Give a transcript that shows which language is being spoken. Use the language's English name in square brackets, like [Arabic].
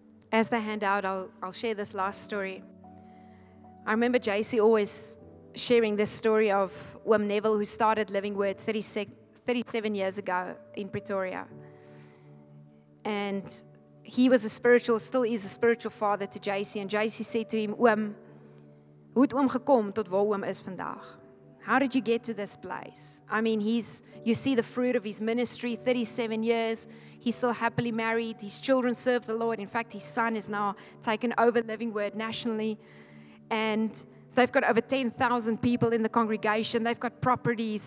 [English] As they hand out, I'll share this last story. I remember JC always sharing this story of Wim Neville, who started Living Word 37 years ago in Pretoria. And he was a spiritual, still is a spiritual father to JC. And JC said to him, [Afrikaans] Wim, hoe het Wim gekom tot waar Wim is vandaag? [English] How did you get to this place? I mean, you see the fruit of his ministry, 37 years. He's still happily married. His children serve the Lord. In fact, his son is now taken over Living Word nationally. And they've got over 10,000 people in the congregation. They've got properties.